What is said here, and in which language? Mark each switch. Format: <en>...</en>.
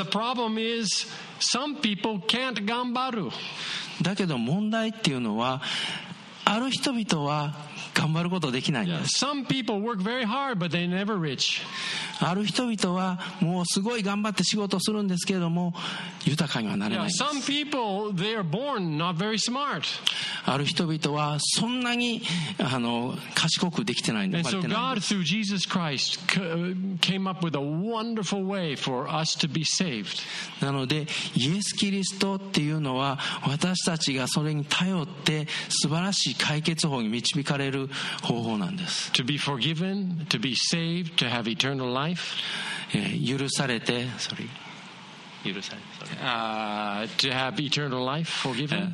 <en>But the problem is some people can't 頑張る。</en> <ja>だけど問題っていうのは、ある人々は頑張ることできないんです。</ja> <en>Yeah, some people work very hard, but they never rich.</en> <ja>ある人々はもうすごい頑張って仕事をするんですけれども豊かにはなれないんです。</ja> <en>Some people, they are born not very smart.</en> <ja>ある人々はそんなに賢くできてないんです</ja> <en>。 And so God, through Jesus Christ, came up with a wonderful way for us to be saved.</en> <ja>なのでイエス・キリストっていうのは私たちがそれに頼って素晴らしい解決法に導かれる方法なんです。</ja> <en>To be forgiven, to be saved, to have eternal life.</en> <ja>許されて、</ja> <en>To have eternal life, forgiven.</en>